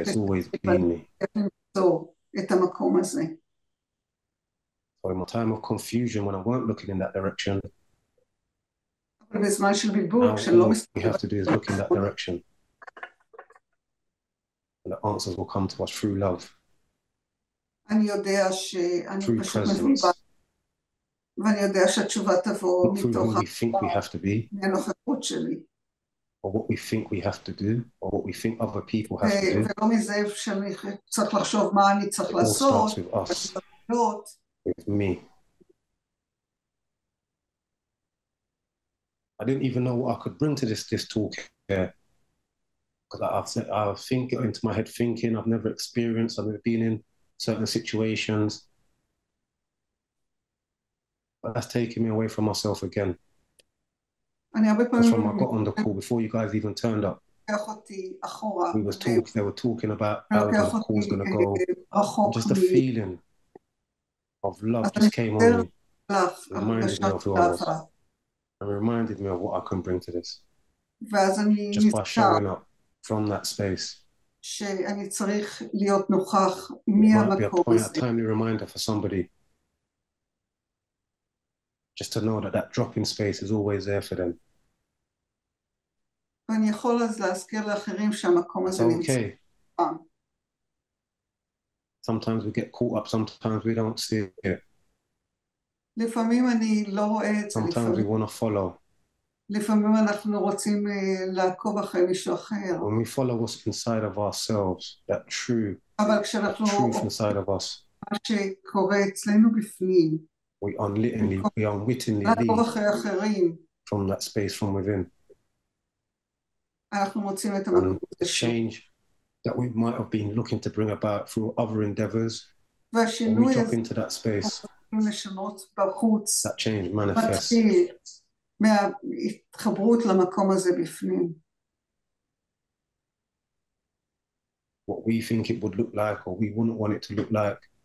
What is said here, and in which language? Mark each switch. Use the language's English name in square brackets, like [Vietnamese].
[English] it's always been me. So in my time of confusion, when I weren't looking in that direction, all we have to do is look in that direction. And the answers will come to us through love. [Hebrew] אני יודע שהתשובה תבוא מתוך [English] what we think we have to be, [Hebrew] מהנוכחות שלי. [English] Or what we think we have to do, or what we think other people have to do. [Hebrew] ולא מזה שאני צריך לחשוב מה אני צריך לעשות. [English] It all starts with us, with me. I didn't even know what I could bring to this talk here. Because I think into my head thinking, I've never experienced, I've never been in certain situations. But that's taking me away from myself again. That's when I got on the call before you guys even turned up. They were talking about how the call's gonna go. Just a feeling of love just came on me. Reminded me of who I was. And reminded me of what I can bring to this. Just by showing up from that space. [Hebrew] שאני צריך להיות נוכח [English] timely reminder for somebody. Just to know that dropping space is always there for them. [Hebrew] ואני יכול אז להזכיר לאחרים שהמקום הזה נמצא. [English] Sometimes we get caught up, sometimes we don't see it. [Hebrew] לפעמים אני לא רואה את זה. [English] Sometimes we want to follow. [Hebrew] לפעמים אנחנו רוצים לעקוב אחרי מישהו אחר. [English] When we follow what's inside of ourselves, that true, [Hebrew] אבל כשאנחנו [English] that truth inside of us, [Hebrew] מה שקורה אצלנו בפנים, [English] we unwittingly [Hebrew] לעקוב אחרי אחרים, [English] from that space from within. [Hebrew] אנחנו מוצאים את המקום. [English] And the change that we might have been looking to bring about through other endeavors, [Hebrew] והשינוי [English] when we drop into that space, [Hebrew] לשנות בחוץ, [English] that change manifests. [Hebrew] מההתחברות למקום הזה בפנים. [English] What we think it would look like, or we wouldn't want it to look like.